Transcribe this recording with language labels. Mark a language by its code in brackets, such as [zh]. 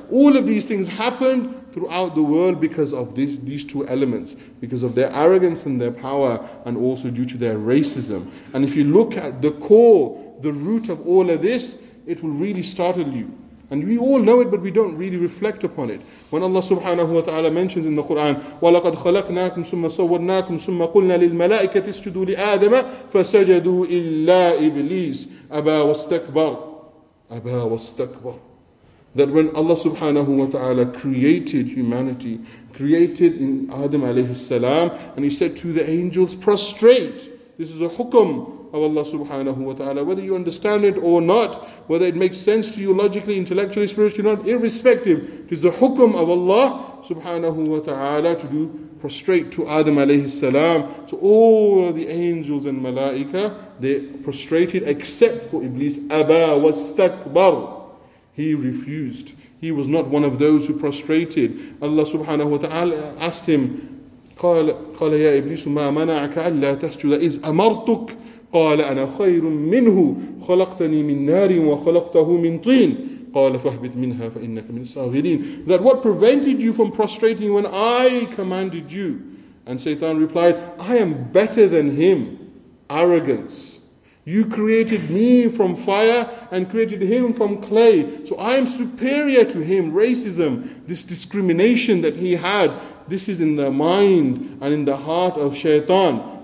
[en] All of these things happened throughout the world because of these two elements, because of their arrogance and their power, and also due to their racism. And if you look at the core, the root of all of this, it will really startle you. And we all know it, but we don't really reflect upon it. When Allah subhanahu wa ta'ala mentions in the Quran, [ar] وَلَقَدْ خَلَقْنَاكُمْ ثُمَّ صَوَّرْنَاكُمْ ثُمَّ قُلْنَا لِلْمَلَائِكَةِ اسْجُدُوا لِآدَمَ فَسَجَدُوا إِلَّا إِبْلِيسَ أَبَى وَاسْتَكْبَرَ أَبَى وَاسْتَكْبَرَ. [en] That when Allah subhanahu wa ta'ala created humanity, created in Adam alayhi salam, and He said to the angels, prostrate. This is a hukum of Allah subhanahu wa ta'ala. Whether you understand it or not, whether it makes sense to you logically, intellectually, spiritually, not, irrespective, it is a hukum of Allah subhanahu wa ta'ala to do prostrate to Adam alayhi salam. So all of the angels and malaika, they prostrated except for Iblis. [ar] Aba wastakbar. [en] He refused. He was not one of those who prostrated. Allah subhanahu wa ta'ala asked him, [ar] قال يا إبليس ما منعك ألا تسجد إذ أمرتك قال أنا خير منه خلقتني من نار وخلقته من طين قال فاهبط منها فإنك من الصاغرين. [en] That what prevented you from prostrating when I commanded you? And Satan replied, I am better than him. Arrogance. You created me from fire and created him from clay. So I am superior to him. Racism, this discrimination that he had, this is in the mind and in the heart of shaitan.